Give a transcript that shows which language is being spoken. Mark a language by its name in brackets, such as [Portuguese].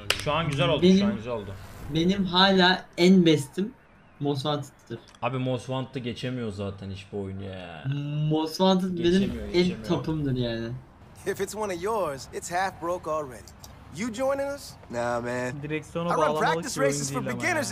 [Turkish] Şu an güzel oldu, benim, şu an güzel oldu. Benim hala en bestim Most Wanted'dır. Abi Most Wanted'ı geçemiyor zaten hiçbir oyunu ya. Most Wanted benim geçemiyor. En topumdur yani. [English] If it's one of yours, it's half broke already. You joining us? Nah, man. [Turkish] Direksiyonu bağlamalı. [English] I run practice races for beginners